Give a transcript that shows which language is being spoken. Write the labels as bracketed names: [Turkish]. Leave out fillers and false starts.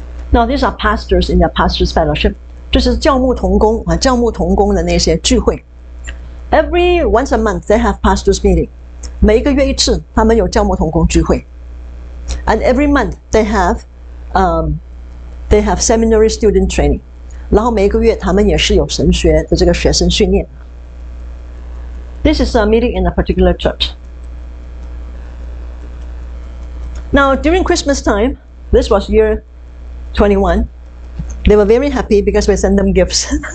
[English] Now these are pastors in their pastor's fellowship. [Chinese] 这是教牧同工，教牧同工的那些聚会。 [English] Every once a month, they have pastors meeting. [Chinese] 每一个月一次，他们有教牧同工聚会。 [English] And every month, they have seminary student training. [Chinese] 然后每一个月，他们也是有神学的这个学生训练。 [English] This is a meeting in a particular church. Now, during Christmas time, this was year 21, they were very happy because we sent them gifts.